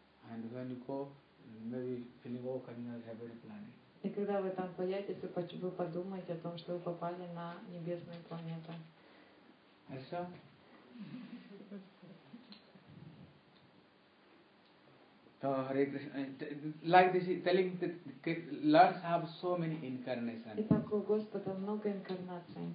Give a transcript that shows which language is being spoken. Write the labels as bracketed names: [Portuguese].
[English] And when you go, maybe feeling, oh, coming on heavenly planet. [Russian] И когда вы там появитесь, вы подумаете о том, что вы попали на небесную планету. Хорошо? [English] So, Hare Krishna, like this, telling that Lord have so many incarnations. [Russian] Итак, у Господа много инкарнаций.